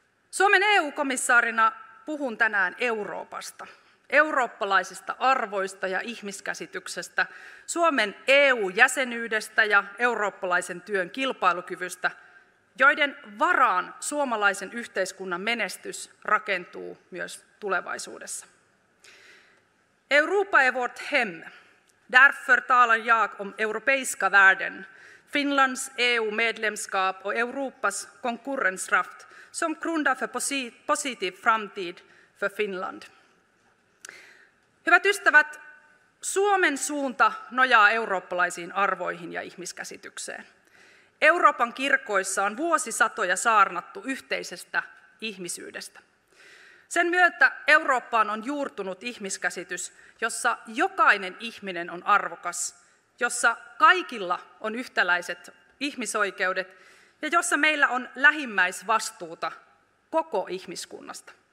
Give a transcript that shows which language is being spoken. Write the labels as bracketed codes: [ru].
[fi] Suomen EU-komissaarina puhun tänään Euroopasta, eurooppalaisista arvoista ja ihmiskäsityksestä, Suomen EU-jäsenyydestä ja eurooppalaisen työn kilpailukyvystä, joiden varaan suomalaisen yhteiskunnan menestys rakentuu myös tulevaisuudessa. [sv] Europa är vårt hem, Därför talar jag om europeiska värden, Finlands EU-medlemskap och Europas konkurrenskraft som grundar för positiv framtid för Finland. [fi] Hyvät ystävät, Suomen suunta nojaa eurooppalaisiin arvoihin ja ihmiskäsitykseen. Euroopan kirkoissa on vuosisatoja saarnattu yhteisestä ihmisyydestä. Sen myötä Eurooppaan on juurtunut ihmiskäsitys, jossa jokainen ihminen on arvokas, jossa kaikilla on yhtäläiset ihmisoikeudet ja jossa meillä on lähimmäisvastuuta koko ihmiskunnasta.